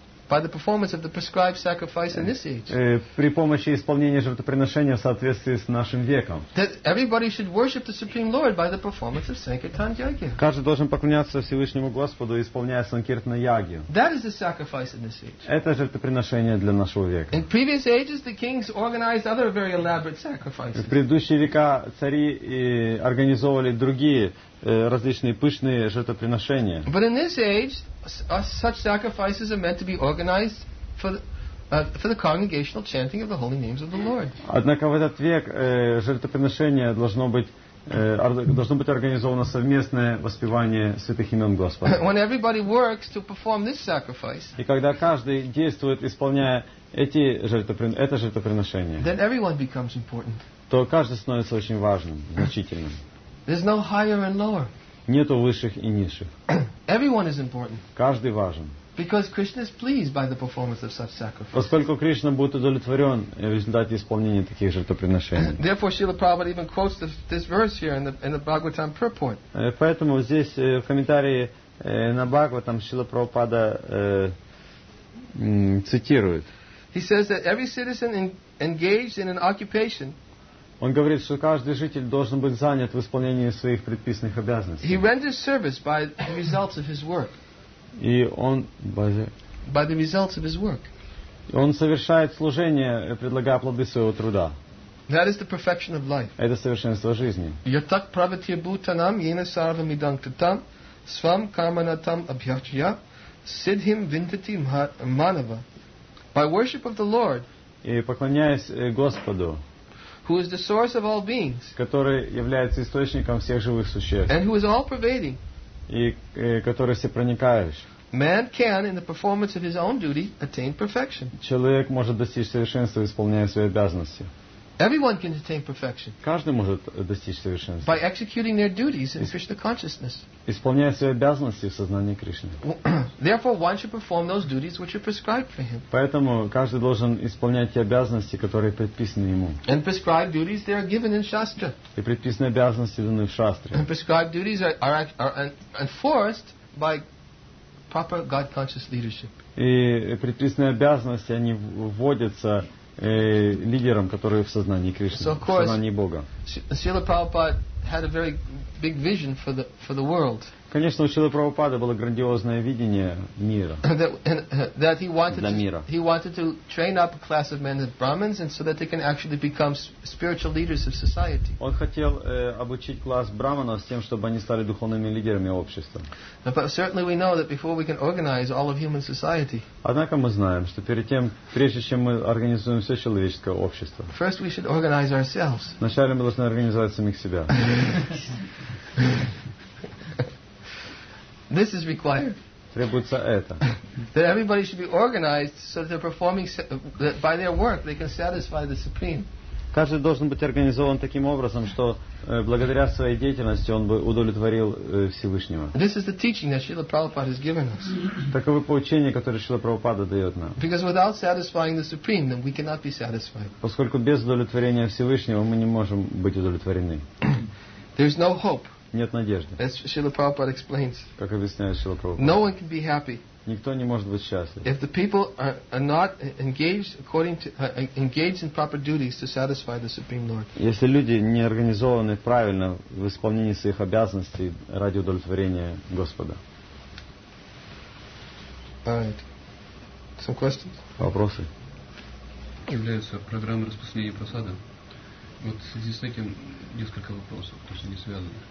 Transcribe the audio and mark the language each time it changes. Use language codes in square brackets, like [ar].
[en] By the performance of the prescribed sacrifice in this age. [ru] При помощи исполнения жертвоприношения в соответствии с нашим веком. [en] That everybody should worship the Supreme Lord by the performance of Sankirtan Yagya. [ru] Каждый должен поклоняться Всевышнему Господу, исполняя Санкиртана Ягью. [en] That is the sacrifice in this age. [ru] Это жертвоприношение для нашего века. [en] In previous ages, the kings organized other very elaborate sacrifices. [ru] В предыдущие века цари организовывали другие различные пышные жертвоприношения. [en] But in this age, such sacrifices are meant to be organized for the congregational chanting of the holy names of the Lord. [ru] Однако в этот век жертвоприношение должно быть организовано совместное воспевание святых имен Господа. [en] When everybody works to perform this sacrifice. [ru] И когда каждый действует, исполняя это жертвоприношение. [en] Then everyone becomes important. [ru] То каждый становится очень важным, значительным. [en] There's no higher and lower. [ru] Нету высших и низших. [en] Everyone is important. [ru] Каждый важен. [en] Because Krishna is pleased by the performance of such sacrifices. [ru] Поскольку Кришна будет удовлетворен в результате исполнения таких жертвоприношений. [en] Therefore, Srila Prabhupada even quotes this verse here in the Bhagavatam purport. [ru] Поэтому здесь в комментарии на Бхагаватам Шрила Прабхупада цитирует. [en] He says that every citizen engaged in an occupation. [ru] Он говорит, что каждый житель должен быть занят в исполнении своих предписанных обязанностей. [en] He renders service by the results of his work. [ru] И он [en] by the results of his work. [ru] Он совершает служение, предлагая плоды своего труда. [en] That is the perfection of life. [ru] Это совершенство жизни. [sa] Yatak pravatya bhutanam yena sarvam idam kritam svam kamanatam abhyachya siddhim vindati manava. [en] By worship of the Lord. [ru] И поклоняясь Господу. [en] Who is the source of all beings? [ru] Который является источником всех живых существ. [en] And who is all pervading? [ru] И который всепроникающий. [en] Man can, in the performance of his own duty, attain perfection. [ru] Человек может достичь совершенства, исполняя свои обязанности. [en] Everyone can attain perfection. [ru] Каждый может достичь совершенства. [en] By executing their duties in Krishna consciousness. [ru] Исполняя свои обязанности в сознании Кришны. [en] Therefore, one should perform those duties which are prescribed for him. [ru] Поэтому каждый должен исполнять те обязанности, которые предписаны ему. [en] And prescribed duties they are given in Shastra. [ru] И предписанные обязанности даны в Шастре. [en] And prescribed duties are enforced by proper God-conscious leadership. [ru] И предписанные обязанности они вводятся лидером, который в сознании Кришны, [en] so, of course, [ru] в сознании Бога. [en] Srila Prabhupada had a very big vision for the world. [ru] Конечно, у Шрилы Прабхупады было грандиозное видение мира. [en] That he wanted to train up a class of men as Brahmins and so that they can actually become spiritual leaders of society. [ru] Он хотел обучить класс брахманов с тем, чтобы они стали духовными лидерами общества. [en] But certainly we know that before we can organize all of human society. [ru] Однако мы знаем, что прежде чем мы организуем все человеческое общество. [en] First we should organize ourselves. [ru] Вначале мы должны организовать самих себя. [en] This is required. [ru] Требуется это. [en] That everybody should be organized so that they're performing that by their work they can satisfy the supreme. [ru] Каждый должен быть организован таким образом, что благодаря своей деятельности он бы удовлетворил Всевышнего. [en] This is the teaching that Srila Prabhupada has given us. [ru] Таково поучение, которое Шрила Прабхупада дает нам. [en] Because without satisfying the supreme, then we cannot be satisfied. [ru] Поскольку без удовлетворения Всевышнего мы не можем быть удовлетворены. [en] There's no hope. [ru] Нет надежды. [en] As Srila Prabhupada explains. [ru] Как объясняет Шрила Прабхупада. [en] No one can be happy. [ru] Никто не может быть счастлив. [en] If the people are not engaged according to engaged in proper duties to satisfy the Supreme Lord. [ru] Если люди не организованы правильно в исполнении своих обязанностей ради удовлетворения Господа. [en] All right. Some questions? [ru] Вопросы? Является программа распространения просады. Вот в связи с этим несколько вопросов, потому что не связаны.